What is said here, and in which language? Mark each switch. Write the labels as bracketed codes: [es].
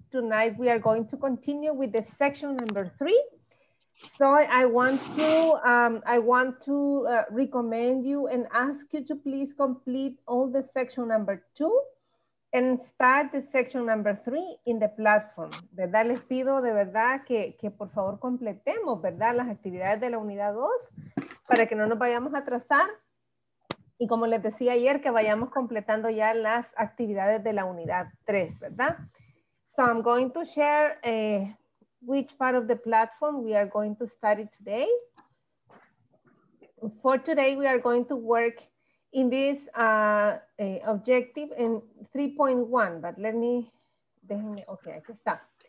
[en] Tonight we are going to continue with the section number 3. So I want to recommend you and ask you to please complete all the section number 2 and start the section number 3 in the platform. [es] ¿Verdad? Les pido de verdad que por favor completemos, ¿verdad? Las actividades de la unidad 2 para que no nos vayamos a atrasar. Y como les decía ayer, que vayamos completando ya las actividades de la unidad 3, ¿verdad? [en] So I'm going to share which part of the platform we are going to study today. For today, we are going to work in this objective in 3.1, but [es] aquí está.